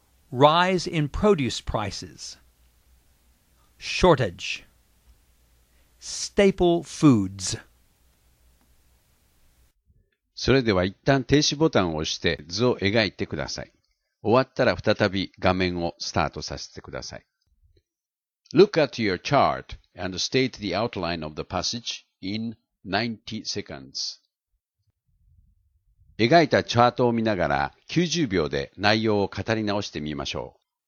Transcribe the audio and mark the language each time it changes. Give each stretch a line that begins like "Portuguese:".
English: Rise in produce prices. Shortage. Staple foods.
Japanese: それでは一旦停止ボタンを押して図を描いてください。終わったら再び画面をスタートさせてください。
English: Look at your chart and state the outline of the passage in 90 seconds.
Japanese: 描いたチャートを見ながら90秒で内容を語り直してみましょう。